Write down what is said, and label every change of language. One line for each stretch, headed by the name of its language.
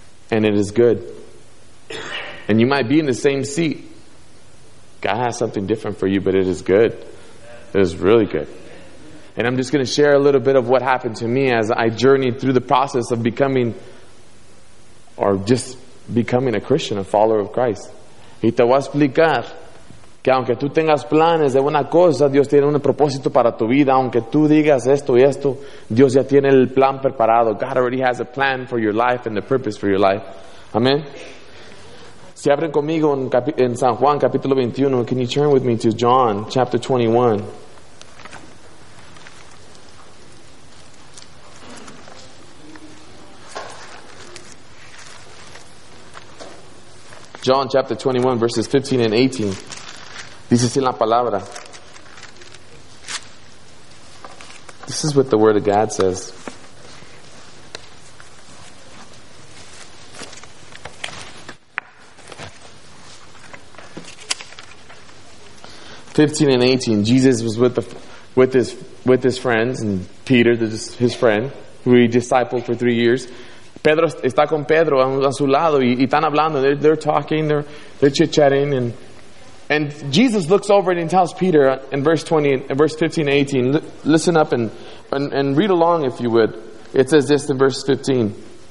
English: And it is good. And you might be in the same seat. God has something different for you, but it is good. It is really good. And I'm just going to share a little bit of what happened to me as I journeyed through the process of becoming a Christian, a follower of Christ.
Spanish: Y te voy a explicar que aunque tú tengas planes de una cosa, Dios tiene un propósito para tu vida. Aunque tú digas esto y esto, Dios ya tiene el plan preparado.
English: God already has a plan for your life and the purpose for your life. Amen.
Spanish: Si abren conmigo en San Juan, capítulo 21,
English: can you turn with me to John, chapter 21? John chapter 21, verses 15 and 18.
Spanish: Dice así la palabra.
English: This is what the Word of God says. Jesus was with his friends, and Peter, his friend, who he discipled for 3 years.
Spanish: Pedro está con Pedro a su lado y están hablando.
English: They're talking, they're chit-chatting, and Jesus looks over and tells Peter in verse 15 and 18. Listen up and read along if you would. It says this in verse 15.